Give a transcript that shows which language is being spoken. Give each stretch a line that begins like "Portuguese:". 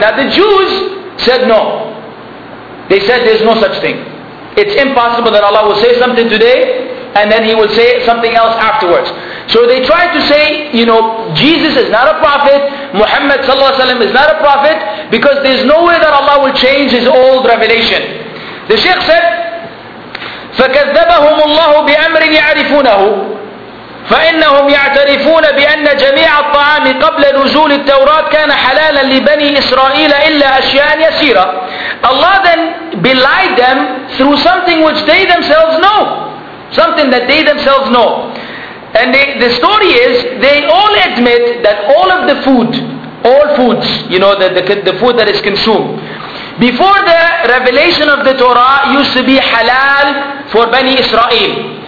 English: Now the Jews said no. They said there's no such thing. It's impossible that Allah will say something today, and then He will say something else afterwards. So they try to say, you know, Jesus is not a prophet, Muhammad sallallahu alaihi wasallam is not a prophet, because there's no way that Allah will change his old revelation. The Shaykh said,
Arabic: فَكَذَّبَهُمُ اللَّهُ بِأَمْرٍ يَعْرِفُونَهُ فَإِنَّهُمْ يَعْتَرِفُونَ بِأَنَّ جَمِيعَ الطَّعَامِ قَبْلَ نُزُولِ التَّوْرَاةِ كَانَ حَلَالًا لِبَنِي إِسْرَائِيلَ إِلَّا أَشْيَاءً يَسِيرًا.
English: Allah then belied them through something which they themselves know. Something that they themselves know. And the story is, they all admit that all of the food, all foods, you know, the food that is consumed, before the revelation of the Torah used to be halal for Bani Israel.